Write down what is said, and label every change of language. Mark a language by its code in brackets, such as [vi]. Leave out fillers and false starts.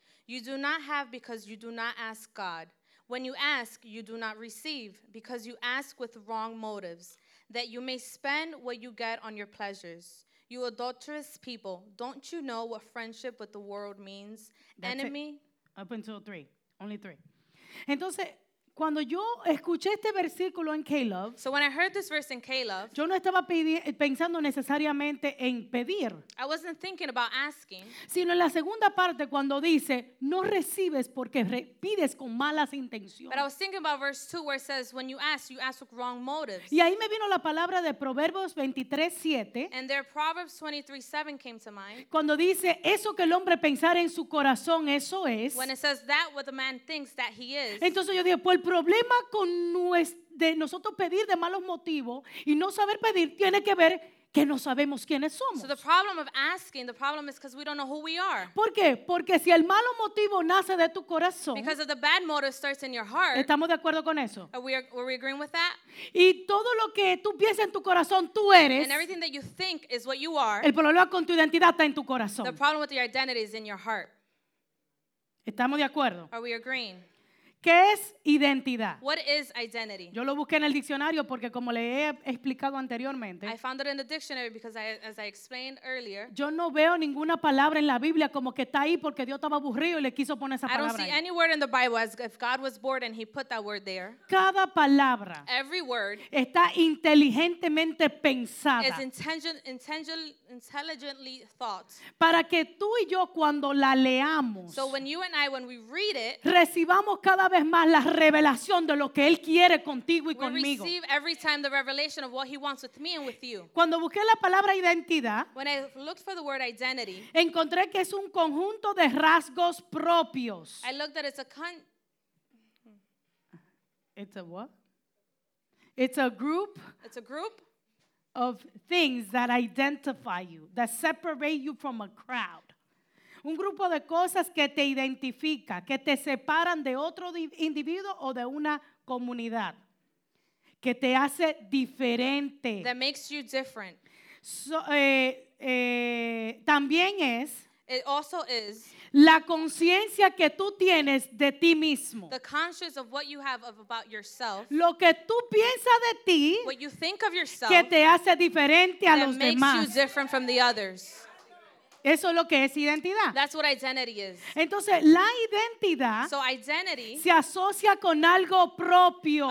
[en] You do not have because you do not ask God. When you ask, you do not receive because you ask with wrong motives. That you may spend what you get on your pleasures. You adulterous people, don't you know what friendship with the world means? That's enemy? It. Up until 3. Only 3. [es] Entonces, cuando yo escuché este versículo en K-Love, [en] so when I heard this verse in K-Love, [es] yo no estaba pensando necesariamente en pedir. [en] I wasn't thinking about asking. [es] Sino en la segunda parte cuando dice, no recibes porque pides con malas intenciones. [en] But I was thinking about verse 2 where it says, when you ask with wrong motives. [es] Y ahí me vino la palabra de Proverbios 23:7. [en] And there Proverbs 23:7 came to mind. [es] Cuando dice, eso que el hombre pensara en su corazón, eso es. [en] When it says that what the man thinks that he is. [es] Entonces yo dije, pues el problema con de nosotros pedir de malos motivos y no saber pedir tiene que ver que no sabemos quiénes somos. [en] So the problem of asking, the problem is because we don't know who we are. [es] ¿Por qué? Porque si el malo motivo nace de tu corazón. [en] Because if the bad motive starts in your heart. [es] ¿Estamos de acuerdo con eso? [en] Are we agreeing with that? [es] Y todo lo que tú piensas en tu corazón, tú eres. [en] And everything that you think is what you are. [es] El problema con tu identidad está en tu corazón. [en] The problem with your identity is in your heart. [es] ¿Estamos de acuerdo? [en] Are we agreeing? [es] ¿Qué es identidad? [en] What is identity? [es] Yo lo busqué en el diccionario porque como le he explicado anteriormente. [en] I found it in the dictionary because I, as I explained earlier. [es] Yo no veo ninguna palabra en la Biblia como que está ahí porque Dios estaba aburrido y le quiso poner esa palabra. [en] I don't see [es] ahí. [en] Any word in the Bible as if God was bored and he put that word there. [es] Cada palabra. [en] Every word. [es] Está inteligentemente pensada. [en] Is intelligently thought. [es] Para que tú y yo cuando la leamos. [en] So when you and I when we read it. [es] Recibamos cada vez más la revelación de lo que Él quiere contigo y conmigo. [en] We receive every time the revelation of what He wants with me and with you. [es] Cuando busqué la palabra identidad, [en] when I looked for the word identity, [es] encontré que es un conjunto de rasgos propios. [en] I looked that it's a con- it's a what? It's a group. It's a group of things that identify you, that separate you from a crowd. [es] Un grupo de cosas que te identifica, que te separan de otro individuo o de una comunidad, que te hace diferente. [en] That makes you different. [es] So, también es [en] it also is [es] la conciencia que tú tienes de ti mismo. [en] The conscience of what you have of about yourself. [es] Lo que tú piensas de ti, [en] what you think of yourself, [es] que te hace diferente a los demás. [en] That makes you different from the others. [es] Eso es lo que es identidad. [en] That's what identity is. [es] Entonces, la identidad [en] so identity [es] se asocia con algo propio.